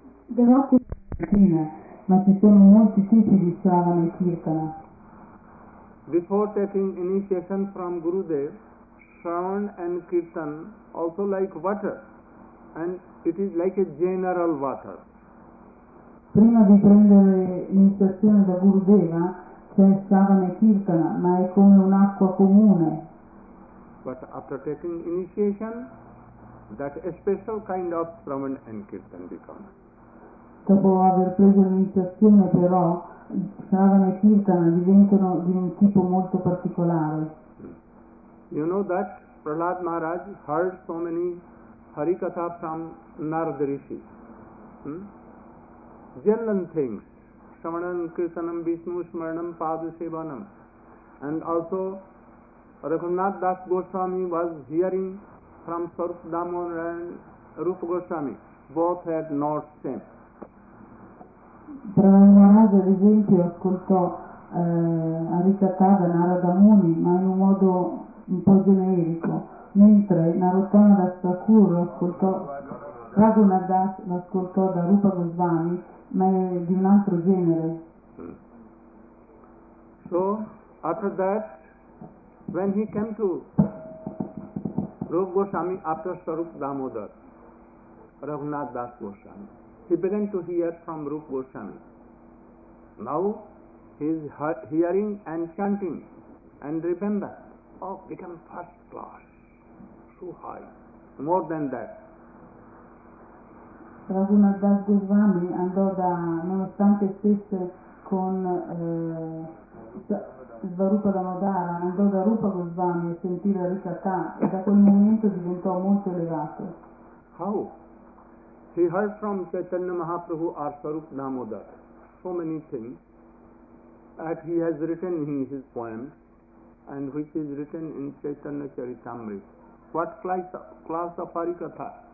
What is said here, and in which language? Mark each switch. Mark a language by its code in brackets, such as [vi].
[en] There are many types of Shravana Kirtana. Before taking initiation from Gurudev, Shravan and Kirtan also like water. And it is like a general water. [it] Prima di prendere l'iniziazione da Gurudeva c'è Shravana e Kirtana, ma è come un'acqua comune. [en] But after taking initiation, that a special kind of Shravan and Kirtan become. [it] Dopo aver preso l'iniziazione però, Shravana e Kirtana diventano di un tipo molto particolare. [en] You know that Prahlad Maharaj heard so many Harikatha from Narada Rishi. General things, Shravanam, Kirtanam, Vishnu, Smaranam, Pada Sevanam. And also, Raghunath Das Goswami was hearing from Swarup Damodar and Rupa Goswami. Both had not same. [it] Prahlad, ad esempio, ascoltò Harikatha da Narada Muni, ma in un modo un po' generico. Mentre Narottama Das Thakur l'ascoltò da Rupa Goswami, ma è di un altro genere. [en] So, after that, when he came to Rupa Goswami after Swarup Damodar, Raghunath Das Goswami, he began to hear from Rupa Goswami. Now, he is hearing and chanting, and remember, oh, become first class. Too high. More than that. [it] Raghunath Das Goswami andò da, nonostante stesse con Svarupa Damodara, andò da Rupa Goswami a sentire Harikatha e da quel momento diventò molto elevato. [en] How? He heard from Chaitanya Mahaprabhu or Swarup Damodara so many things that he has written in his poems and which is written in Chaitanya Charitamrita. what class of Harikatha?